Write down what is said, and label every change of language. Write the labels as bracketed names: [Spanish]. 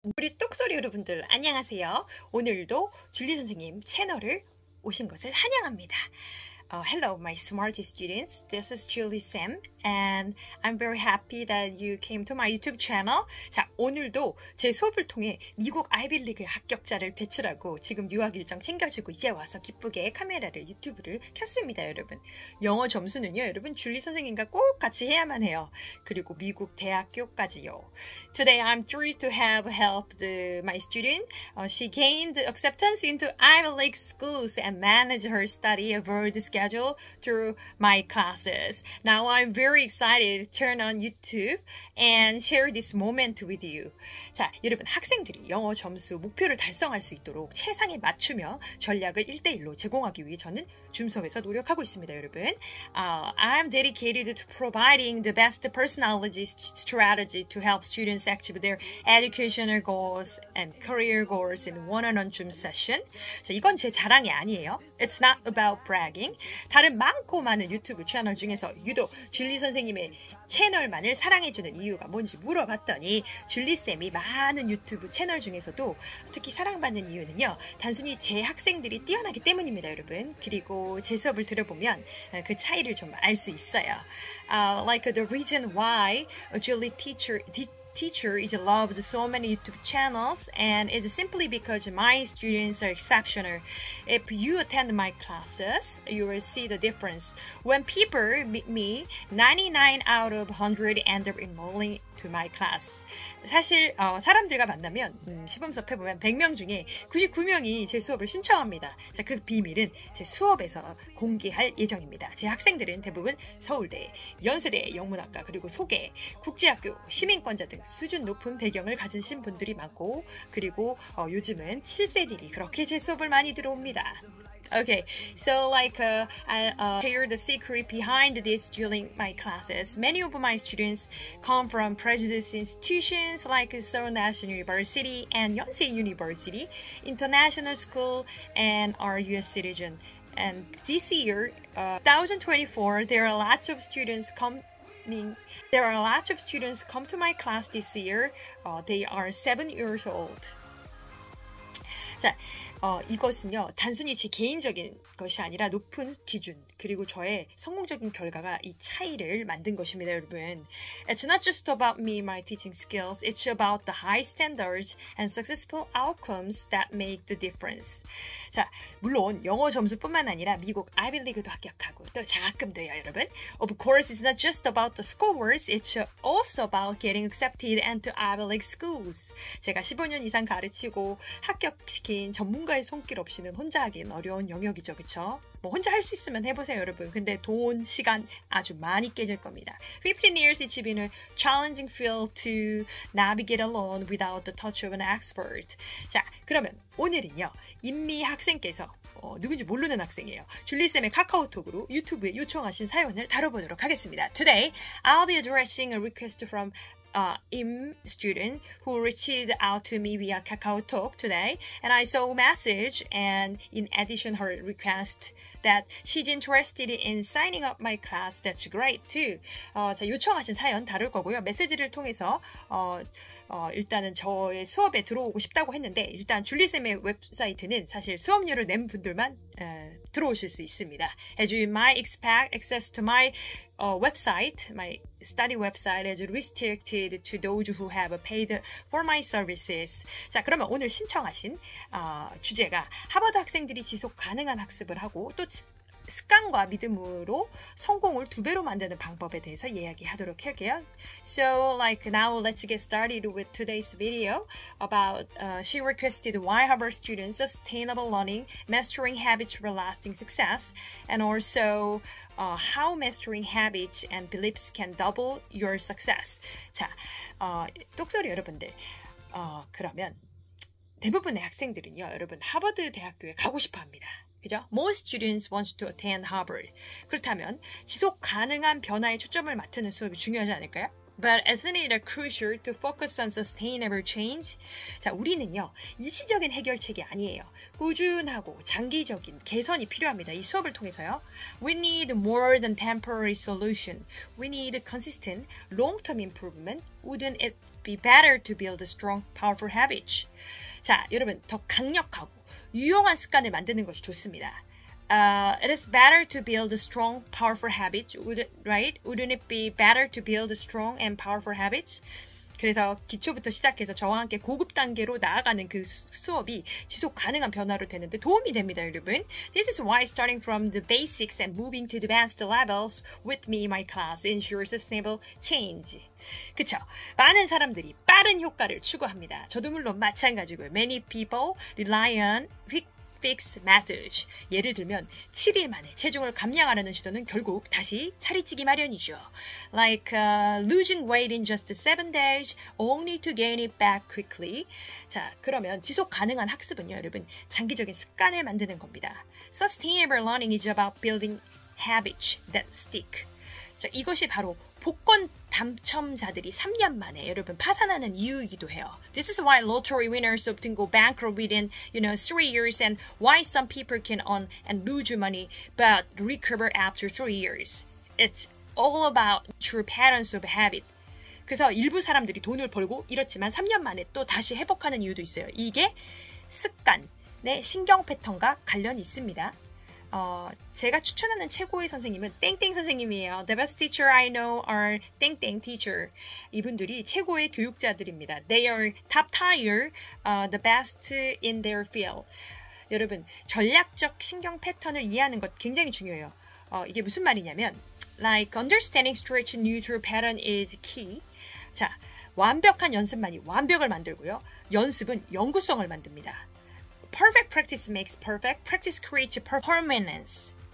[Korean] 우리 똑소리 여러분들 안녕하세요. 오늘도 줄리 선생님 채널을 오신 것을 환영합니다. [English] Hello, my smarty students. This is Julie Sam, and I'm very happy that you came to my YouTube channel. [Korean] 자, 오늘도 제 수업을 통해 미국 아이비리그 합격자를 배출하고 지금 유학 일정 챙겨주고 이제 와서 기쁘게 카메라를 유튜브를 켰습니다, 여러분. 영어 점수는요, 여러분, 줄리 선생님과 꼭 같이 해야만 해요. 그리고 미국 대학교까지요. [English] Today I'm thrilled to have helped my student. She gained acceptance into Ivy League schools and managed her study abroad schedule through my classes. Now I'm very excited to turn on YouTube and share this moment with you. [Korean] 자, 여러분, 학생들이 영어 점수 목표를 달성할 수 있도록 최상에 맞추며 전략을 1대1로 제공하기 위해 저는 줌수업에서 노력하고 있습니다, 여러분. [English] I'm dedicated to providing the best personality strategy to help students achieve their educational goals and career goals in one-on-one Zoom session. [Korean] 자, 이건 제 자랑이 아니에요. [English] It's not about bragging. [Korean] 다른 많고 많은 유튜브 채널 중에서 유독 줄리 선생님의 채널만을 사랑해주는 이유가 뭔지 물어봤더니 줄리쌤이 많은 유튜브 채널 중에서도 특히 사랑받는 이유는요, 단순히 제 학생들이 뛰어나기 때문입니다, 여러분. 그리고 제 수업을 들어보면 그 차이를 좀알수 있어요. [English] Like the reason why Julie teacher is loved so many YouTube channels and is simply because my students are exceptional. If you attend my classes, you will see the difference. When people meet me, 99 out of 100 end up enrolling to my class. [Korean] 사실 사람들과 만나면 시범수업 해보면 100명 중에 99명이 제 수업을 신청합니다. 자, 그 비밀은 제 수업에서 공개할 예정입니다. 제 학생들은 대부분 서울대, 연세대, 영문학과, 그리고 소계, 국제학교, 시민권자 등 수준 높은 배경을 가진 분들이 많고, 그리고 요즘은 7세들이 그렇게 제 수업을 많이 들어옵니다. [English] Okay, so I share the secret behind this during my classes. Many of my students come from prestigious institutions like Seoul National University and Yonsei University, international school, and are US citizen. And this year, 2024, there are lots of students come to my class this year. They are 7 years old. [Korean] 자, 이것은요, 단순히 제 개인적인 것이 아니라 높은 기준, 그리고 저의 성공적인 결과가 이 차이를 만든 것입니다, 여러분. [English] It's not just about me, my teaching skills. It's about the high standards and successful outcomes that make the difference. [Korean] 자, 물론 영어 점수뿐만 아니라 미국 아이비리그도 합격하고 또 장학금도요, 여러분. [English] Of course, it's not just about the scores. It's also about getting accepted into Ivy League schools. [Korean] 제가 15년 이상 가르치고 합격시킨 전문가의 손길 없이는 혼자 하긴 어려운 영역이죠, 그쵸? 뭐 혼자 할수 있으면 해보세요, 여러분. 근데 돈, 시간 아주 많이 깨질 겁니다. [English] 15 years, it's been a challenging field to navigate alone without the touch of an expert. [Korean] 자, 그러면 오늘은요, 인미 학생께서 누군지 모르는 학생이에요. 줄리쌤의 카카오톡으로 유튜브에 요청하신 사연을 다뤄보도록 하겠습니다. [English] Today, I'll be addressing a request from im student who reached out to me via KakaoTalk today, and I saw a message, and in addition her request that she's interested in signing up my class. That's great too. [Korean] 자, 요청하신 사연 다룰 거고요. 메시지를 통해서 일단은 저의 수업에 들어오고 싶다고 했는데, 일단 줄리쌤의 웹사이트는 사실 수업료를 낸 분들만 들어오실 수 있습니다. [English] As you might expect, access to my study website is restricted to those who have paid for my services. [Korean] 자, 그러면 오늘 신청하신 주제가 하버드 학생들이 지속 가능한 학습을 하고 또 습관과 믿음으로 성공을 두 배로 만드는 방법에 대해서 이야기하도록 할게요. [English] So, now let's get started with today's video about she requested why Harvard students sustainable learning, mastering habits for lasting success, and also how mastering habits and beliefs can double your success. [Korean] 자, 똑소리 여러분들, 그러면 대부분의 학생들은요, 여러분, 하버드 대학교에 가고 싶어 합니다. 그죠? [English] Most students want to attend Harvard. [Korean] 그렇다면 지속 가능한 변화에 초점을 맞추는 수업이 중요하지 않을까요? [English] But isn't it a crucial to focus on sustainable change? [Korean] 자, 우리는요, 일시적인 해결책이 아니에요. 꾸준하고 장기적인 개선이 필요합니다. 이 수업을 통해서요. [English] We need more than temporary solution. We need consistent long-term improvement. Wouldn't it be better to build strong, powerful habits? [Korean] 자, 여러분, 더 강력하고 유용한 습관을 만드는 것이 좋습니다. [English] It is better to build strong, powerful habits, right? Wouldn't it be better to build strong and powerful habits? [Korean] 그래서 기초부터 시작해서 저와 함께 고급 단계로 나아가는 그 수업이 지속 가능한 변화로 되는데 도움이 됩니다, 여러분. [English] This is why starting from the basics and moving to the advanced levels with me in my class ensures sustainable change. [Korean] 그쵸? 많은 사람들이 빠른 효과를 추구합니다. 저도 물론 마찬가지고요. [English] Many people rely on quick fix methods. [Korean] 예를 들면 7일 만에 체중을 감량하라는 시도는 결국 다시 살이 찌기 마련이죠. [English] Like losing weight in just 7 days only to gain it back quickly. [Korean] 자, 그러면 지속 가능한 학습은요, 여러분, 장기적인 습관을 만드는 겁니다. [English] Sustainable learning is about building habits that stick. [Korean] 자, 이것이 바로 복권 당첨자들이 3년 만에 여러분 파산하는 이유이기도 해요. [English] This is why lottery winners often go bankrupt within, 3 years, and why some people can earn and lose money but recover after 3 years. It's all about true patterns of habit. [Korean] 그래서 일부 사람들이 돈을 벌고 이렇지만 3년 만에 또 다시 회복하는 이유도 있어요. 이게 습관, 내 신경 패턴과 관련이 있습니다. 제가 추천하는 최고의 선생님은 땡땡 선생님이에요. [English] The best teacher I know are 땡땡 teacher. [Korean] 이분들이 최고의 교육자들입니다. [English] They are top tier, the best in their field. [Korean] 여러분, 전략적 신경 패턴을 이해하는 것 굉장히 중요해요. 이게 무슨 말이냐면, [English] like understanding stretch neutral pattern is key. [Korean] 자, 완벽한 연습만이 완벽을 만들고요. 연습은 영구성을 만듭니다. [English] Perfect practice makes perfect. Practice creates permanence.